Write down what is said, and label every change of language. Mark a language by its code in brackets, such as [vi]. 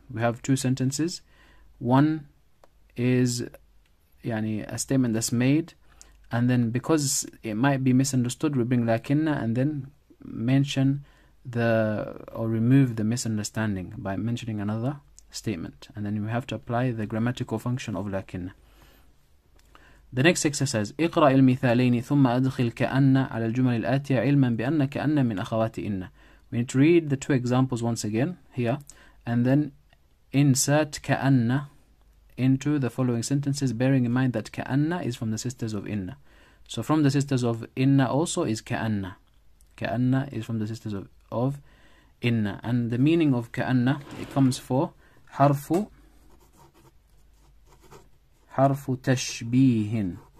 [en] We have two sentences. One is يعني, a statement that's made. And then because it might be misunderstood, we bring لكن and then mention the or remove the misunderstanding by mentioning another statement, and then we have to apply the grammatical function of lakin. The next exercise: [ar] اقرأ المثالين ثم أدخل كأن على الجمل الآتية علما بأن كأن من أخوات إن. [en] We need to read the two examples once again here, and then insert كأن into the following sentences, bearing in mind that كأن is from the sisters of إن. So from the sisters of إن also is كأن. كأن is from the sisters of إن, and the meaning of كأن, it comes for harfu tashbihin.